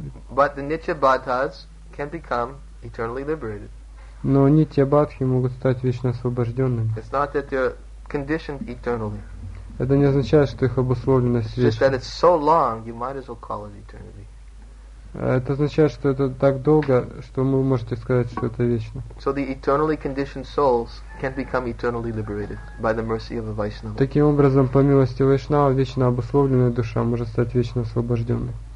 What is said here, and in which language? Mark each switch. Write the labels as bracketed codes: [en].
[en] But the Nitya Badhas can become eternally liberated. [ru] Но Нитья Бадхи могут стать вечно освобожденными. [en] It's not that they're conditioned eternally. [ru] Это не означает, что их обусловленность вечна. [en] It's just that it's so long, you might as well call it eternity. [ru] Это означает, что это так долго, что вы можете сказать, что это вечно. [en] So the eternally conditioned souls can become eternally liberated by the mercy of a Vaishnava. [ru] Таким образом, по милости Вайшнава, вечно обусловленная душа может стать вечно освобожденной.